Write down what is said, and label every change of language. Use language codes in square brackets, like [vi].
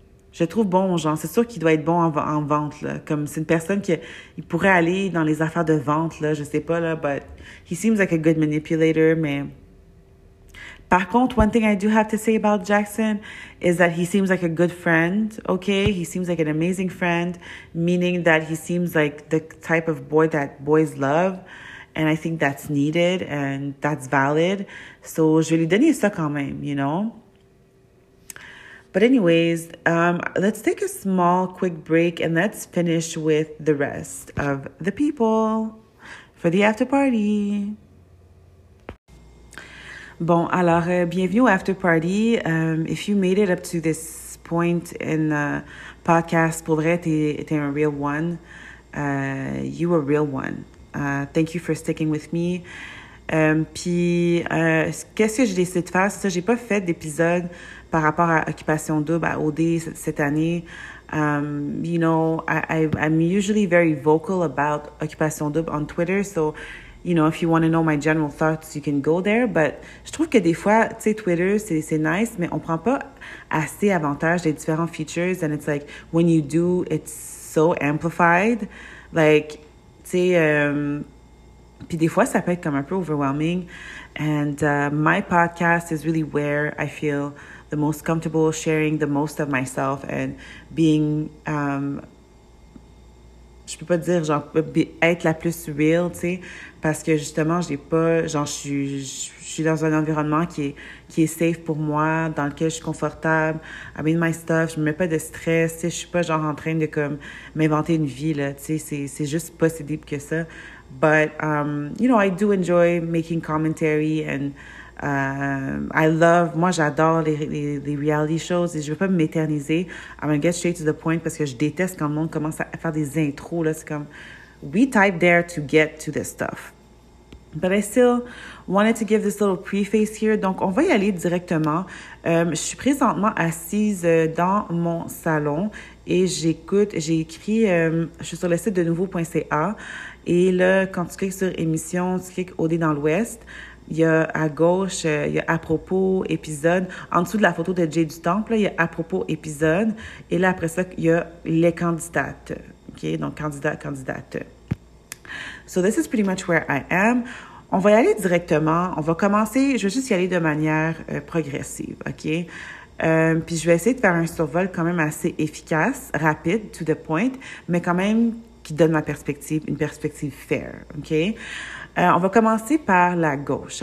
[fr] Je trouve bon, genre, c'est sûr qu'il doit être bon en vente, là. Comme c'est une personne qui pourrait aller dans les affaires de vente, là, je sais pas, là. [en] But he seems like a good manipulator, [fr] mais... Par contre, [en] one thing I do have to say about Jackson is that he seems like a good friend, okay? He seems like an amazing friend, meaning that he seems like the type of boy that boys love, and I think that's needed and that's valid. So, [fr] je vais lui donner ça quand même, [en] you know? But anyways, let's take a small, quick break and let's finish with the rest of the people for the after party. [fr] Bon, alors, bienvenue au After Party. [en] If you made it up to this point in the podcast, [fr] pour vrai, t'es un [en] real one. You a real one. Thank you for sticking with me. [fr] Qu'est-ce que j'ai décidé de faire? Ça, j'ai pas fait d'épisode par rapport à Occupation Double, à OD, cette année. [en] You know, I'm usually very vocal about Occupation Double on Twitter, so... You know, if you want to know my general thoughts, you can go there. But [fr] je trouve que des fois, tu sais, Twitter, c'est nice, mais on prend pas assez avantage des différents features. [en] And it's like, when you do, it's so amplified. [fr] Like, tu sais, puis des fois, ça peut être comme un peu overwhelming. [en] And my podcast is really where I feel the most comfortable sharing the most of myself and being... [fr] je peux pas dire, genre, être la plus real, tu sais, parce que justement, j'ai pas, genre, je suis dans un environnement qui est safe pour moi, dans lequel je suis confortable, [en] I mean my stuff, [fr] je me mets pas de stress, tu sais, je suis pas, genre, en train de, comme, m'inventer une vie, là, tu sais, c'est juste pas si deep que ça. [en] But, you know, I do enjoy making commentary and [fr] moi, j'adore les reality shows et je veux pas m'éterniser. [en] I'm gonna get straight to the point [fr] parce que je déteste quand le monde commence à faire des intros, là. C'est comme, [en] we type there to get to this stuff. But I still wanted to give this little preface here. [fr] Donc, on va y aller directement. Je suis présentement assise dans mon salon et j'écris, je suis sur le site de nouveau.ca et là, quand tu cliques sur émission, tu cliques OD dans l'Ouest. il y a à gauche, il y a à propos épisode. En dessous de la photo de Jay du Temple, il y a à propos épisode. Et là, après ça, il y a les candidates. OK? Donc, candidat, candidate. [en] So, this is pretty much where I am. [fr] On va y aller directement. On va commencer. Je vais juste y aller de manière progressive. OK? Puis, je vais essayer de faire un survol quand même assez efficace, rapide, to the point, mais quand même qui donne ma perspective, une perspective fair. OK? On va commencer par la gauche.